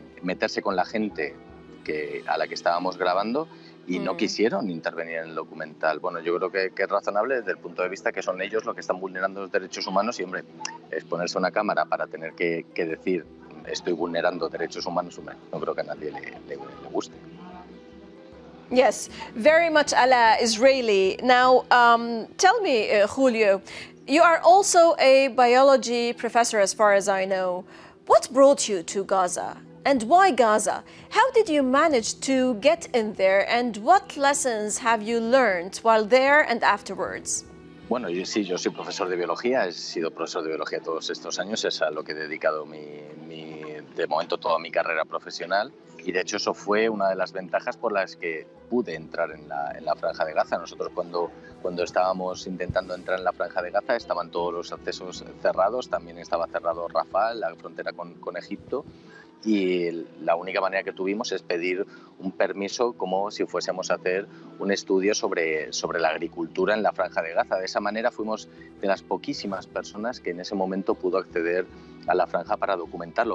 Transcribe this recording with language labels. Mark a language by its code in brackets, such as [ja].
[es] Meterse con la gente a la que estábamos grabando y no quisieron intervenir en el documental. Bueno, yo creo que es razonable desde el punto de vista que son ellos los que están vulnerando los derechos humanos y, hombre, exponerse a una cámara para tener que decir estoy vulnerando derechos humanos, hombre, no creo que a nadie le guste. [en] Yes, very much a la Israeli. Now, tell me, Julio, you are also a biology professor as far as I know. What brought you to Gaza? And why Gaza? How did you manage to get in there? And what lessons have you learned while there and afterwards? [es] Bueno, yo soy profesor de biología. He sido profesor de biología todos estos años. Es a lo que he dedicado de momento toda mi carrera profesional. y de hecho eso fue una de las ventajas por las que pude entrar en la Franja de Gaza. Nosotros cuando estábamos intentando entrar en la Franja de Gaza estaban todos los accesos cerrados, también estaba cerrado Rafah, la frontera con Egipto, y la única manera que tuvimos es pedir un permiso como si fuésemos a hacer un estudio sobre la agricultura en la Franja de Gaza. De esa manera fuimos de las poquísimas personas que en ese momento pudo acceder a la franja para documentarlo.